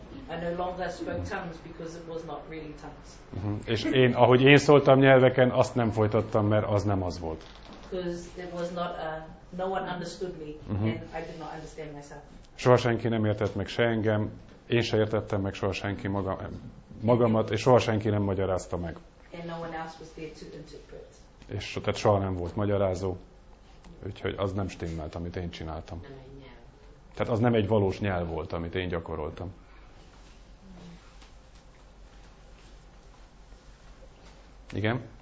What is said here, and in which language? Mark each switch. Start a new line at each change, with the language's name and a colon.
English: I no longer spoke tongues because it was not really tongues.
Hungarian: És én, ahogy én szóltam nyelveken, azt nem folytattam, mert az nem az volt.
English: Because there was not no one understood me and I did not understand myself.
Hungarian: Soha senki nem értett meg se engem, én se értettem meg soha senki magamat, és soha senki nem magyarázta meg.
English: And no one else was there to interpret.
Hungarian: És tehát soha nem volt magyarázó, úgyhogy az nem stimmelt, amit én csináltam. Tehát az nem egy valós nyelv volt, amit én gyakoroltam. Igen?